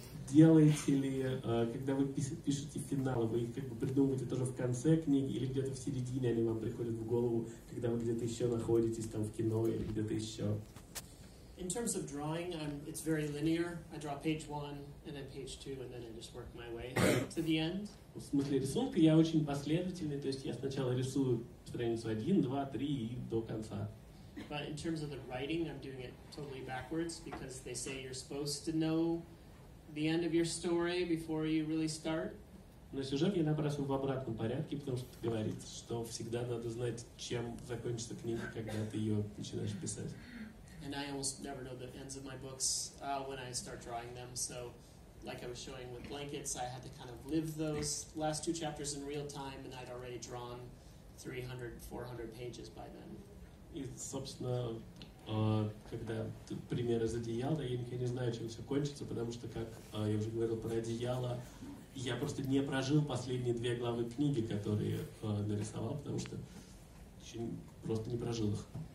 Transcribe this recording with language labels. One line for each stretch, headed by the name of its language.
Russian: Делаете ли, когда вы пишете финалы, вы их как бы придумываете тоже в конце книги или где-то в середине они вам приходят в голову, когда вы где-то еще находитесь там в кино или где-то еще?
English: In terms of drawing, it's very linear. I draw page one, and then page two, and then I just work my way to the end.
Russian: В смысле рисунка я очень последовательный, то есть я сначала рисую страницу один, два, три и до конца.
English: But in terms of the writing, I'm doing it totally backwards because they say you're supposed to know the end of your story before you really start.
Russian: На сюжет я набрасываю в обратном порядке, потому что говорится, что всегда надо знать, чем закончится книга, когда ты ее начинаешь писать.
English: And I almost never know the ends of my books when I start drawing them. So, like I was showing with blankets, I had to kind of live those last two chapters in real time, and I'd already drawn 300, 400 pages by then.
Russian: И, собственно, когда ты примеры из одеяла, я не знаю, чем все кончится, потому что, как я уже говорил про одеяло, я просто не прожил последние две главы книги, которые нарисовал, потому что просто не прожил их.